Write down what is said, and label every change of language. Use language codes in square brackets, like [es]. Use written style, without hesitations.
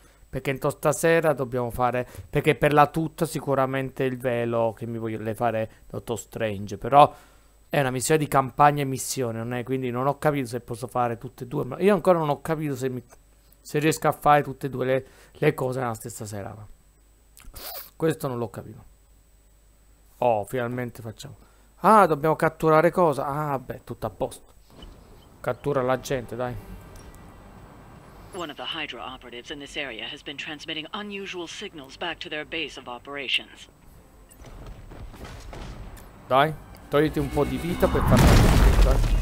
[it] Perché entro stasera dobbiamo fare, perché per la tuta sicuramente il velo che mi voglio le fare Dottor Strange, però è una missione di campagna e missione, non è, quindi non ho capito se posso fare tutte e due, ma io ancora non ho capito se riesco a fare tutte e due le cose nella stessa sera, ma questo non l'ho capito. Oh, finalmente facciamo. Ah, dobbiamo catturare cosa? Ah, beh, tutto a posto. Cattura la gente, dai. [en] One of the Hydra operatives in this area has been transmitting unusual signals back to their base of operations. [it] Dai, togliti un po' di vita per farla.